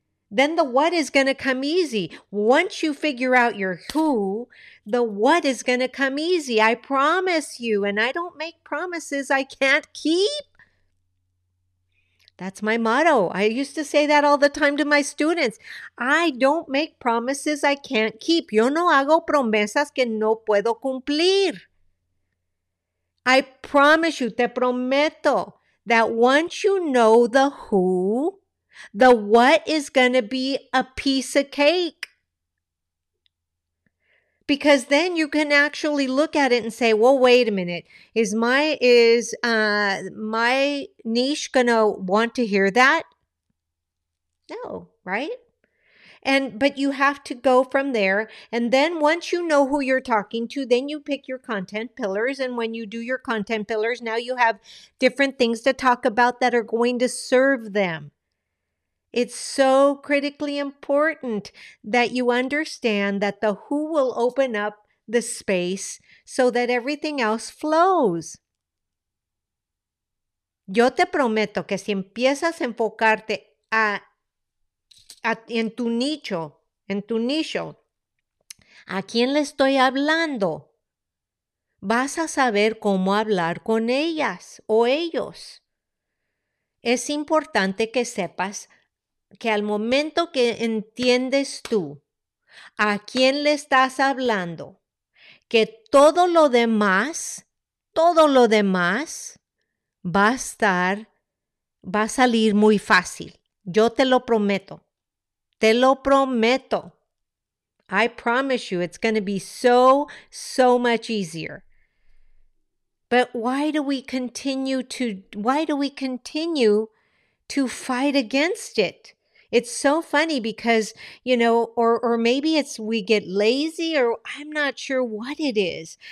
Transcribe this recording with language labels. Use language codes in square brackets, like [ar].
[en] Then the what is going to come easy. Once you figure out your who, the what is going to come easy. I promise you. And I don't make promises I can't keep. That's my motto. I used to say that all the time to my students. I don't make promises I can't keep. [es] Yo no hago promesas que no puedo cumplir. [en] I promise you, te prometo, that once you know the who, the what is going to be a piece of cake. Because then you can actually look at it and say, well, wait a minute, is my niche going to want to hear that? No, right? But you have to go from there. And then once you know who you're talking to, then you pick your content pillars. And when you do your content pillars, now you have different things to talk about that are going to serve them. It's so critically important that you understand that the who will open up the space so that everything else flows. [es] Yo te prometo que si empiezas a enfocarte en tu nicho, ¿a quién le estoy hablando? Vas a saber cómo hablar con ellas o ellos. Es importante que sepas que al momento que entiendes tú a quién le estás hablando, que todo lo demás va a salir muy fácil. Yo te lo prometo. Te lo prometo. [en] I promise you, it's going to be so, so much easier. But why do we continue to fight against it? It's so funny because, or maybe it's we get lazy or I'm not sure what it is.